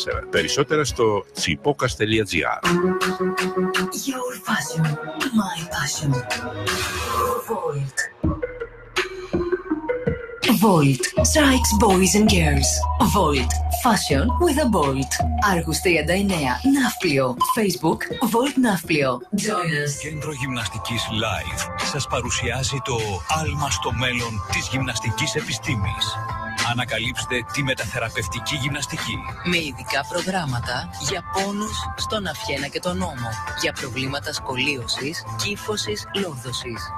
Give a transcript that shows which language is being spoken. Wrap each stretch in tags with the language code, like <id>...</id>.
<el>Περισσότερα στο tsipokas.gr.</el> <en>Your fashion, my passion. Volt. Volt strikes boys and girls. Volt. Fashion with a bolt.</en> <el>Άργους 39, Ναύπλιο. Facebook, Volt Ναύπλιο.</el> <en>Join us.</en> <el>Κέντρο Γυμναστικής Live σας παρουσιάζει το άλμα στο μέλλον της γυμναστικής επιστήμης. Ανακαλύψτε τη μεταθεραπευτική γυμναστική. Με ειδικά προγράμματα για πόνους στον αφιένα και τον ώμο. Για προβλήματα σκολίωσης, κύφωσης, λόρδωσης.</el>